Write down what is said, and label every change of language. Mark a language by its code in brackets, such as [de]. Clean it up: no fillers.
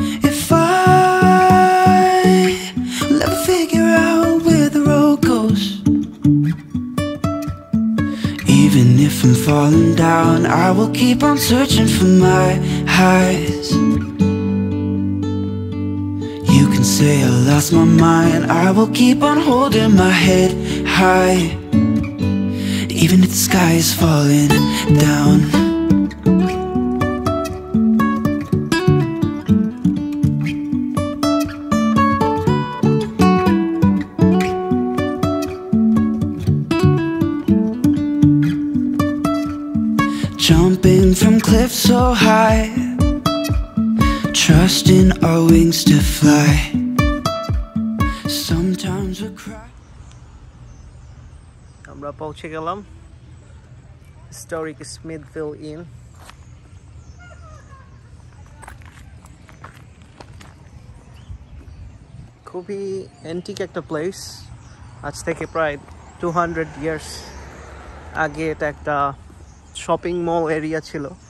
[en] If I'll ever figure out where the road goes Even if I'm falling down I will keep on searching for my high highs. You can say I lost my mind. I will keep on holding my head high, even if the sky is falling down. Jumping from cliffs so high, trusting our wings to fly. Sometimes we cry. [bn] আমরা পৌঁছে গেলাম historic Smithville in. খুবই antique একটা place. আজ থেকে প্রায় 200 years আগে এটা একটা শপিং মল এরিয়া ছিল।